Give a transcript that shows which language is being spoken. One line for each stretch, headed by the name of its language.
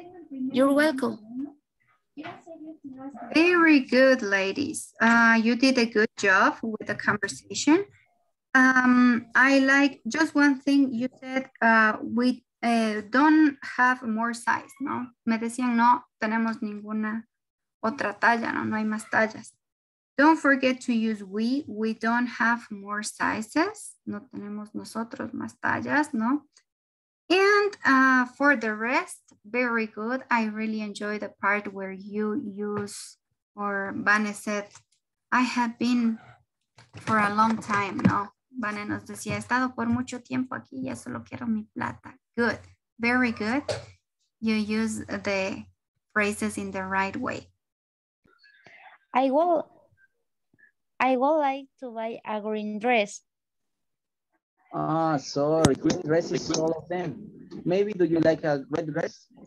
English: You're welcome. Very good, ladies. You did a good job with the conversation. I like just one thing you said, we don't have more size,
Spanish: ¿no? Me decían, no tenemos ninguna otra talla, ¿no? No hay más tallas.
English: Don't forget to use we don't have more sizes.
Spanish: No tenemos nosotros más tallas, ¿no?
English: And for the rest, very good. I really enjoy the part where you use, or Vane said, I have been for a long time,
Spanish: ¿no? Vane nos decía, he estado por mucho tiempo aquí, ya solo quiero mi plata.
English: Good, very good. You use the phrases in the right way. I would like to buy a green dress. Ah, sorry, green dresses, all of them. Maybe do you like a red dress?